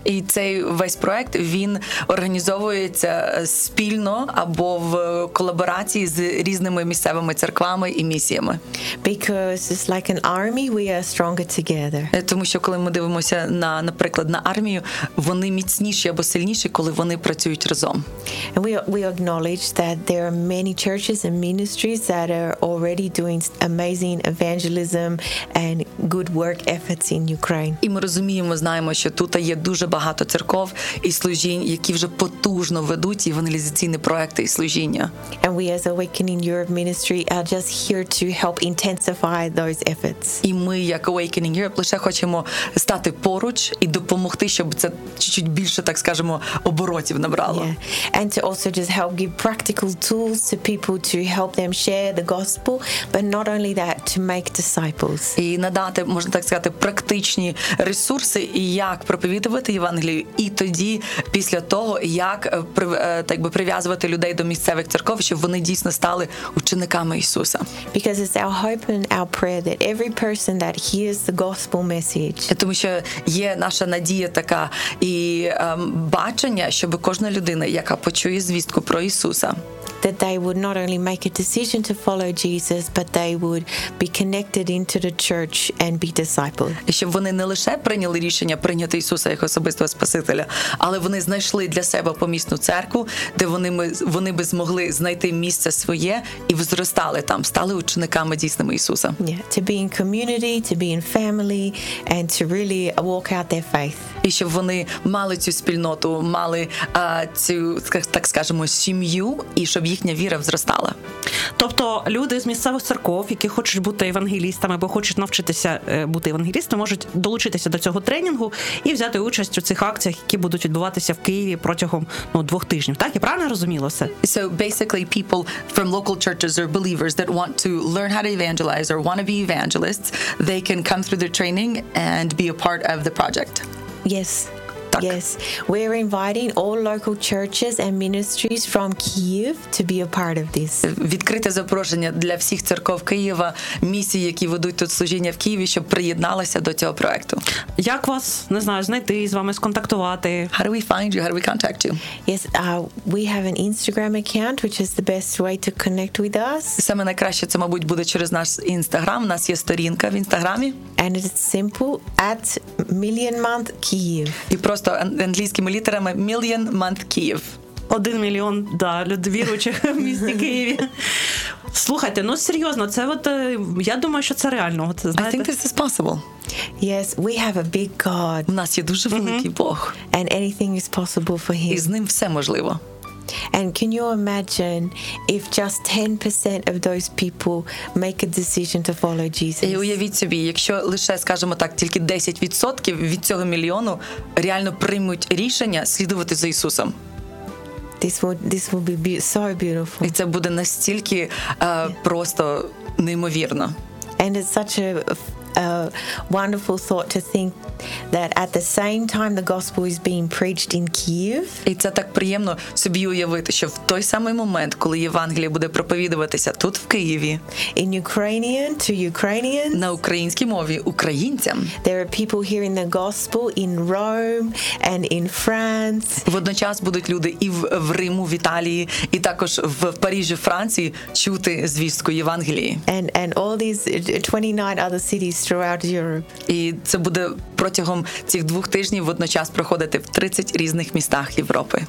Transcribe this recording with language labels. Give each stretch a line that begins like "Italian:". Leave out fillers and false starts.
Ukrainian: І цей весь проект він організовується спільно або в колаборації з різними місцевими церквами і місіями.
English: Because it's like an army, we are stronger together.
Ukrainian: Тому що коли ми дивимося на, наприклад, на армію, вони міцніші або сильніші, коли вони працюють разом.
English: And we acknowledge that there are many churches and ministries that are already doing amazing evangelism and good work efforts in Ukraine.
Ukrainian: І ми розуміємо, знаємо, що тут є дуже багато церков і служінь, які вже потужно ведуть евангелізаційні проекти і служіння.
English: And we as Awakening Europe Ministry are just here to help intensify those efforts.
Ukrainian: І ми як Awakening Europe лише хочемо стати поруч і допомогти, щоб це чуть-чуть більше, так скажемо, оборотів набрало.
English: Yeah. And to also just help give practical tools to people to help them share the gospel, but not only that, to make disciples.
Ukrainian: І надати, можна так сказати, практичні ресурси, як проповідувати Євангелію, і тоді після того, як так би прив'язувати людей до місцевих церков, щоб вони дійсно стали учениками Ісуса.
English: Because it's our hope and our prayer that every person that hears the gospel message.
Ukrainian: Тому що є наша надія така і бачення, щоб кожна людина, яка почує звістку про Ісуса,
English: that they would not only make a decision to follow Jesus, but they would be connected into the church and be discipled.
Ukrainian: І щоб вони не лише прийняли рішення прийняти Ісуса як особистого Спасителя, але вони знайшли для себе помісну церкву, де вони би змогли знайти місце своє і зростали там, стали учениками дійсними Ісуса.
English: Yeah, to be in community, to be in family, and to really walk out their faith.
Ukrainian: І щоб вони мали цю спільноту, мали цю, так скажемо, сім'ю, і щоб їхня віра зростала. Тобто люди з місцевих церков, які хочуть бути евангелістами або хочуть навчитися бути евангелістами, можуть долучитися до цього тренінгу і взяти участь у цих акціях, які будуть відбуватися в Києві протягом, ну, двох тижнів. Так, я правильно розуміла все?
English: So basically people from local churches or believers that want to learn how to evangelize or want to be evangelists, they can come through their training and be a part of the project. Yes.
Ukrainian: Так.
English: Yes. We're inviting all local churches and ministries from Kyiv to be a part of this.
Ukrainian: Відкрите запрошення для всіх церков Києва, місій, які ведуть тут служіння в Києві, щоб приєдналися до цього проекту. Як вас, не знаю, знайти, з вами сконтактувати?
English: How do we find you? How do we contact you? Yes, we have an Instagram account, which is the best way to connect with us.
Ukrainian: Саме найкраще це, мабуть, буде через наш Instagram. У нас є сторінка в Інстаграмі.
English: And it's simple, at Million Month Kyiv.
Ukrainian: Просто англійськими літерами Million Month Kyiv. 1 мільйон да, людей віруючих в місті Києві. Слухайте, ну серйозно, це от я думаю, що це реально. От, знаєте?
English: I think this is possible. Yes, we have a big God.
Ukrainian: У нас є дуже великий Бог.
English: And anything is possible for him.
Ukrainian: І з ним все можливо.
English: And can you imagine if just 10% of those people make a decision to follow Jesus?
Ukrainian: І уявіть собі, якщо лише, скажімо так, тільки 10% від цього мільйону реально приймуть рішення слідувати за Ісусом.
English: This will be so beautiful.
Ukrainian: І це буде настільки просто неймовірно.
English: And it's such a wonderful thought to think that at the same time the gospel is being preached in Kyiv.
Ukrainian: І це так приємно собі уявити, що в той самий момент, коли Євангеліє буде проповідуватися тут в Києві.
English: In Ukrainian to Ukrainians.
Ukrainian: На українській мові українцям.
English: There are people hearing the gospel in Rome and in France.
Ukrainian: Водночас будуть люди і в Риму, в Італії, і також в Парижі, Франції чути звістку Євангелії.
English: And all these 29 other cities throughout Europe.
Ukrainian: І це буде протягом цих 2 тижнів водночас проходити в 30 різних містах Європи.